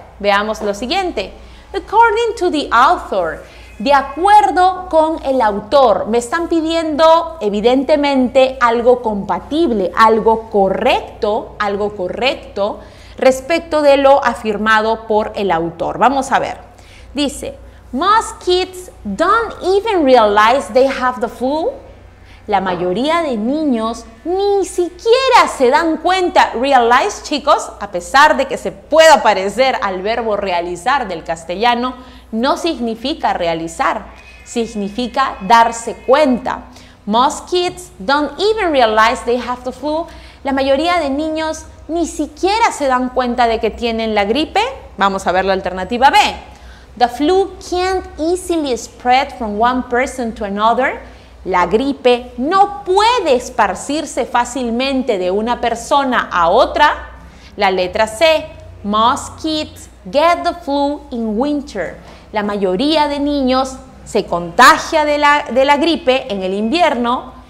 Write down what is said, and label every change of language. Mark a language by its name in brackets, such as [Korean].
[Spanish] veamos lo siguiente. [English] According to the author. [Spanish] De acuerdo con el autor. Me están pidiendo, evidentemente, algo compatible, algo correcto respecto de lo afirmado por el autor. Vamos a ver. [English] Dice, most kids don't even realize they have the flu. [Spanish] La mayoría de niños ni siquiera se dan cuenta, realize, chicos, a pesar de que se pueda parecer al verbo realizar del castellano, no significa realizar, significa darse cuenta. [English] Most kids don't even realize they have the flu. [Spanish] La mayoría de niños ni siquiera se dan cuenta de que tienen la gripe. Vamos a ver la alternativa B. [English] The flu can't easily spread from one person to another. [Spanish] La gripe no puede esparcirse fácilmente de una persona a otra. La letra C. [English] Most kids get the flu in winter. [Spanish] La mayoría de niños se contagia de la gripe en el invierno.